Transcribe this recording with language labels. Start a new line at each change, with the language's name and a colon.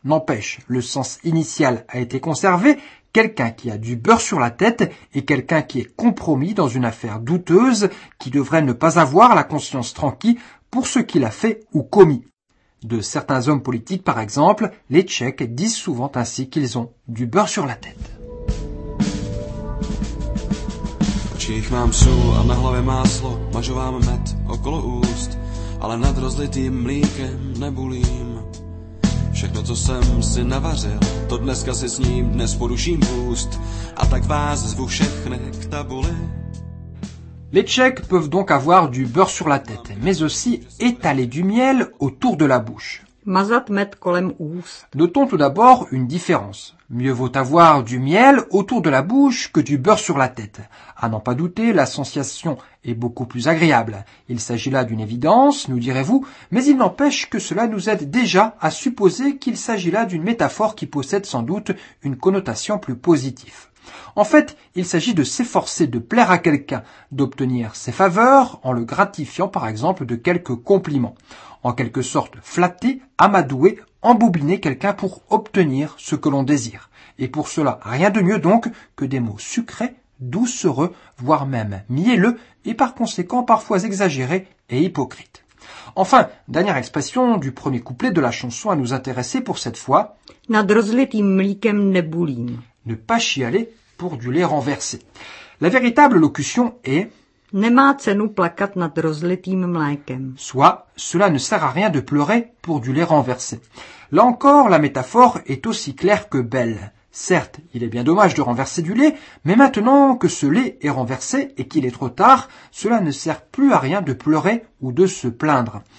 French: N'empêche, le sens initial a été conservé, quelqu'un qui a du beurre sur la tête et quelqu'un qui est compromis dans une affaire douteuse, qui devrait ne pas avoir la conscience tranquille pour ce qu'il a fait ou commis. De certains hommes politiques, par exemple, les Tchèques disent souvent ainsi qu'ils ont du beurre sur la tête.
Czech: Čích mám sůl a na hlavě máslo, mažu vám med okolo úst, ale nad rozlitým mlíkem nebulím. Všechno, co jsem si navařil, to dneska si sním, dnes poruším úst, a tak vás zvu všechny k tabuli.
French: Les Tchèques peuvent donc avoir du beurre sur la tête, mais aussi étaler du miel autour de la bouche.
Czech: Mazat med kolem úst.
French: Notons tout d'abord une différence. Mieux vaut avoir du miel autour de la bouche que du beurre sur la tête. À n'en pas douter, la sensation est beaucoup plus agréable. Il s'agit là d'une évidence, nous direz-vous, mais il n'empêche que cela nous aide déjà à supposer qu'il s'agit là d'une métaphore qui possède sans doute une connotation plus positive. En fait, il s'agit de s'efforcer de plaire à quelqu'un, d'obtenir ses faveurs en le gratifiant par exemple de quelques compliments. En quelque sorte, flatter, amadouer, embobiner quelqu'un pour obtenir ce que l'on désire. Et pour cela, rien de mieux donc que des mots sucrés, doucereux, voire même mielleux et par conséquent parfois exagérés et hypocrites. Enfin, dernière expression du premier couplet de la chanson à nous intéresser pour cette fois.
Czech: Nad rozlitým mlíkem nebulím.
French: Ne pas chialer pour du lait renversé. La véritable locution est
Czech: Nemá cenu plakat nad rozlitým mlékem.
French: Soit, cela ne sert à rien de pleurer pour du lait renversé. Là encore, la métaphore est aussi claire que belle. Certes, il est bien dommage de renverser du lait, mais maintenant que ce lait est renversé et qu'il est trop tard, cela ne sert plus à rien de pleurer ou de se plaindre.